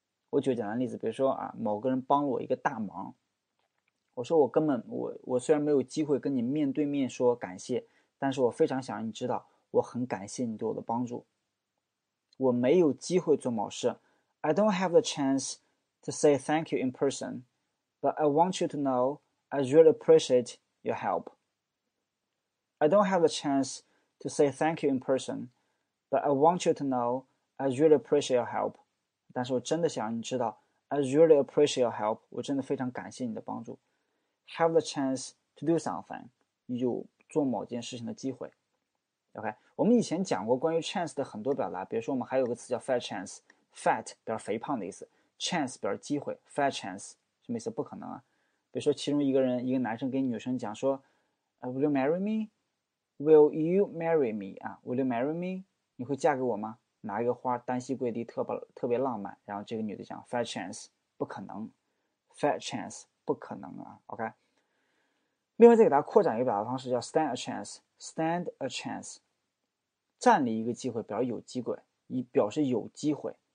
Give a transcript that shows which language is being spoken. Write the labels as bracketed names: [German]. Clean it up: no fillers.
[Chinese] 我举个简单例子，比如说啊，某个人帮了我一个大忙，我说我根本我虽然没有机会跟你面对面说感谢，但是我非常想让你知道我很感谢你对我的帮助。我没有机会做某事， [English] I don't have the chance to say thank you in person， but I want you to know I really appreciateyour help. I don't have a chance to say thank you in person, but I want you to know I really appreciate your help. [Chinese] 但是我真的想让你知道 [English] I really appreciate your help. [Chinese] 我真的非常感谢你的帮助。 [English] Have the chance to do something, [Chinese] 有做某件事情的机会。 OK, 我们以前讲过关于 chance 的很多表达，比如说我们还有个词叫 fat chance, fat 表肥胖的意思， chance 表机会， fat chance 什么意思？不可能啊。比如说其中一个人，一个男生给女生讲说 [English] Will you marry me? Will you marry me?、Will you marry me? [Chinese] 你会嫁给我吗？拿一个花单膝跪地，特别浪漫。然后这个女的讲 Fat chance, 不可能。Fat chance, 不可能啊。OK。另外再给大家扩展一个表达方式叫 Stand a chance。Stand a chance。站立一个机会表示有机会。以表示有机会。